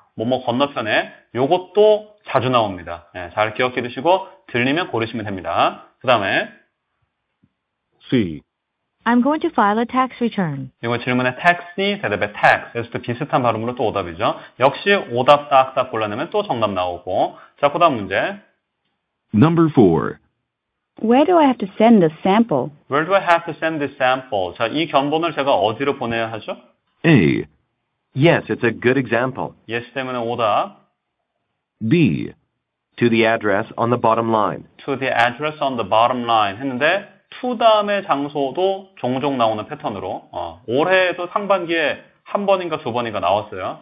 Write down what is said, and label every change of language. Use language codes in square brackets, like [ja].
[ko] 뭐뭐 건너편에 요것도 자주 나옵니다. 네, 잘 기억해 두시고 들리면 고르시면 됩니다. 그 다음에 [en] C. I'm going to file a tax return. [ko] 이거 질문에 taxi, 대답에 tax. 그래서 또 비슷한 발음으로 또 오답이죠. 역시 오답 딱딱 골라내면 또 정답 나오고. 자, 그 다음 문제. [en] Number 4. Where do I have to send the sample? Where do I have to send the sample? [ko] 자, 이 견본을 제가 어디로 보내야 하죠? [en] A. Yes, it's a good example. [ko] Yes 때문에 오답. [en] B. To the address on the bottom line. To the address on the bottom line [ko] 했는데 to 다음의 장소도 종종 나오는 패턴으로 올해에도 상반기에 한 번인가 두 번인가 나왔어요.